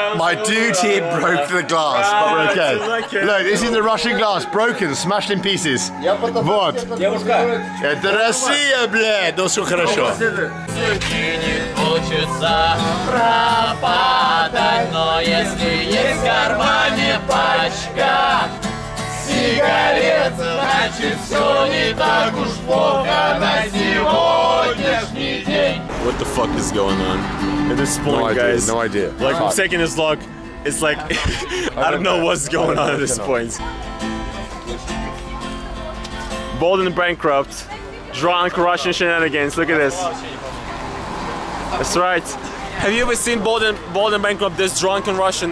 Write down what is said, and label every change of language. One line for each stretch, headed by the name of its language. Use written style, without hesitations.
English: My duty broke the glass, but we're okay. Look, this is the Russian glass, broken, smashed in pieces.
Russian: Вот. Это Россия, блядь, но все хорошо. Хочется пропадать, но если есть в кармане пачка сигарет, значит все не так уж плохо на сегодняшний день.
English: What the fuck is going on? At this point, no idea, guys. No idea. Like, I'm taking this vlog. It's like, I don't know what's going on at this point. Bald and Bankrupt. Drunk Russian shenanigans. Look at this. That's right. Have you ever seen Bald and Bankrupt this drunk in Russian?